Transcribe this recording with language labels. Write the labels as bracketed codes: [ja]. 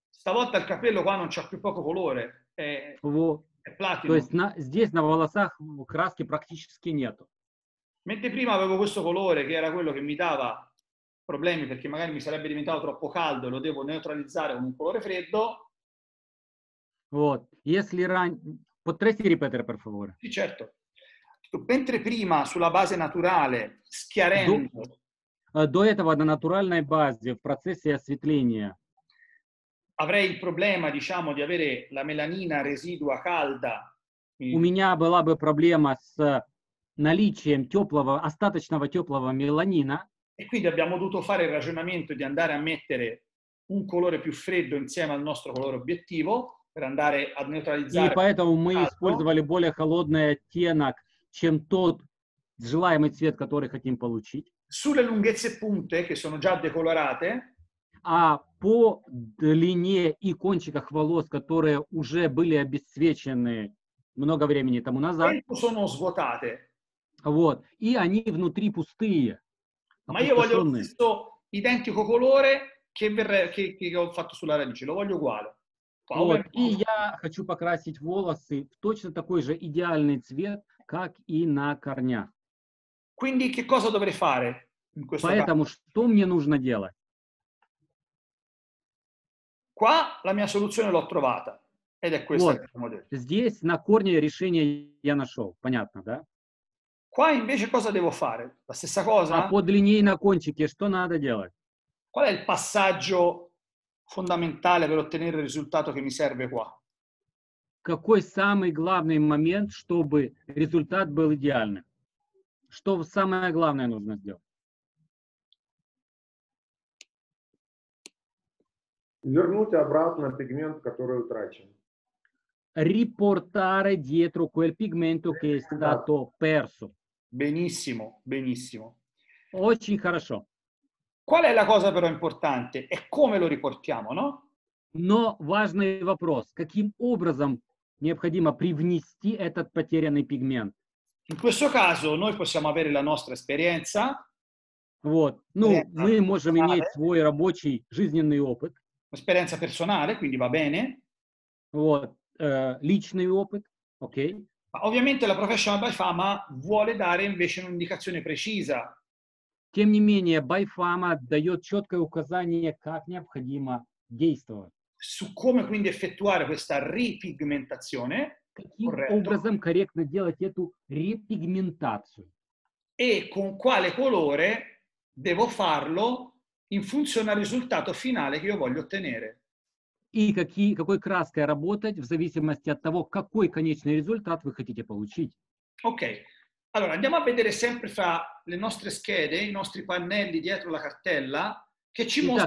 [it] Stavolta il capello qua non c'ha più poco colore. È platino. [ru] То есть здесь на волосах краски практически нету. [it] Mentre prima avevo questo colore che era quello che mi dava problemi perché magari mi sarebbe diventato troppo caldo e lo devo neutralizzare con un colore freddo. [ru] Вот. Если [it] potresti ripetere, per favore? Sì, certo. Mentre prima sulla base naturale schiarendo [ru] до этого на натуральной базе в процессе осветления [it] avrei il problema, diciamo, di avere la melanina residua calda. [ru] У меня была бы проблема с наличием теплого остаточного теплого меланина. [it] E quindi abbiamo dovuto fare il ragionamento di andare a mettere un colore più freddo insieme al nostro colore obiettivo per andare a neutralizzare. [ru] И поэтому мы использовали более холодный оттенок, чем тот желаемый цвет, который хотим получить. [it] Sulle lunghezze punte che sono già decolorate, [ru] а по длине и кончиках волос, которые уже были обесцвечены много времени тому назад. [it] Sono svuotate. [ru] Вот. И они внутри пустые. [it] Ma io voglio questo identico colore che ho fatto sulla radice, lo voglio uguale. [ru] Вот. И я хочу покрасить волосы в точно такой же идеальный цвет, как и на корнях. [it] Quindi che cosa dovrei fare in questo [ru] Поэтому [it] caso? [ru] Что мне нужно делать? [it] Qua la mia soluzione l'ho trovata. Ed è questa [ru] вот. Здесь на корне решение я нашел. Понятно, да? [it] Qua invece cosa devo fare? La stessa cosa? [ru] А по длине и на кончике что надо делать? Qual è il passaggio fondamentale per ottenere il risultato che mi serve qua? Какой самый главный момент, чтобы результат был идеальным? Что самое главное нужно сделать? Вернуть обратно пигмент, который утрачен. [it] Riportare dietro quel pigmento che è stato perso. Benissimo, benissimo. [ru] Очень хорошо. [it] Qual è la cosa però importante? È come lo riportiamo, no? [ru] Но важный вопрос. Каким образом необходимо привнести этот потерянный пигмент? [it] In questo caso noi possiamo avere la nostra esperienza. [ru] Вот. Ну, мы можем иметь свой рабочий жизненный опыт. [it] Esperienza personale, quindi va bene. [ru] Вот. Личный опыт. Окей. Okay. [it] Ovviamente la professional Bayfama vuole dare invece un'indicazione precisa. [ru] Тем не менее, Bayfama дает четкое указание, как необходимо действовать. [it] Su come quindi effettuare questa ripigmentazione. [ru] Каким образом корректно делать эту репигментацию? [it] E con quale colore devo farlo in funzione al risultato finale che io voglio ottenere? [ru] И какой краской работать в зависимости от того, какой конечный результат вы хотите получить? Окей. Okay. [it] Allora, andiamo a vedere sempre fra le nostre schede, i nostri pannelli dietro la cartella, che ci mostra.